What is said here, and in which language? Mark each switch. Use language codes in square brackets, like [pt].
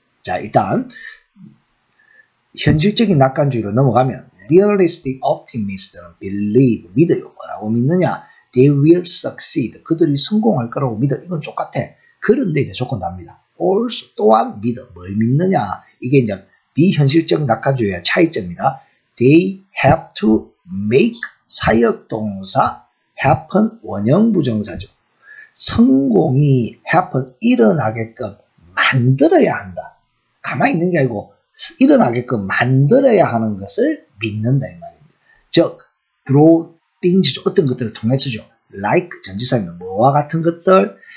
[ko] 자, 일단 현실적인 낙관주의로 넘어가면 [en] Realistic Optimist [ko] 는 Believe, 믿어요. 뭐라고 믿느냐? [en] They will succeed. [ko] 그들이 성공할 거라고 믿어. 이건 똑같아. 그런데 이제 조건 납니다. Also, 또한 믿어. 뭘 믿느냐? 이게 이제 비현실적 낙관주의의 차이점입니다. [en] They have to make [ko] 사역동사 [en] happen [ko] 원형부정사죠. 성공이 happen 일어나게끔 만들어야 한다. 가만히 있는 게 아니고 일어나게끔 만들어야 하는 것을 믿는다 이 말입니다. 즉, draw things죠. 어떤 것들을 통해서죠. Like 전지사입니다. 뭐와 같은 것들?